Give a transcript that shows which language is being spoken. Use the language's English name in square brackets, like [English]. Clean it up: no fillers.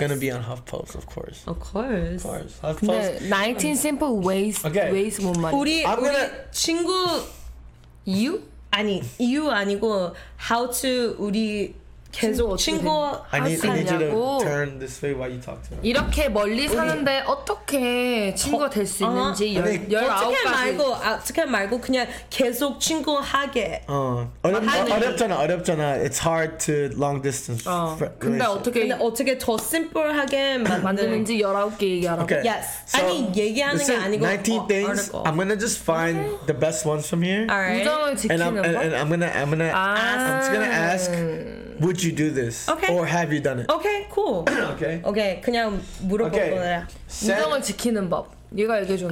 [English] It's gonna be on HuffPost, of course. Of course. Of course. HuffPost. 19 simple ways to waste more money. [Korean] 우리 [English] I'm gonna [Korean] 우리 친구 you? 아니 you 아니고 [English] how to [Korean] 우리 계속 친구 [English] I need, I need you to turn this way while you talk to her. [Korean] 이렇게 멀리 사는데 어떻게 친구가 될 수 있는지 어떻게 말고 그냥 계속 친구 하게 어렵잖아 [English] It's hard to long distance [Korean] 근데 어떻게 근데 어떻게 더 심플하게 만드는지 19개 얘기하라고 Yes 아니 얘기하는 게 아니고 [English] 19 things I'm gonna just find the best ones from here and I'm gonna ask Would you do this? Okay. Or have you done it? Okay, cool. okay. [Korean] Okay, 그냥 물어보고 그래. 무정을 지키는 법. 얘가 얘기해 줬네.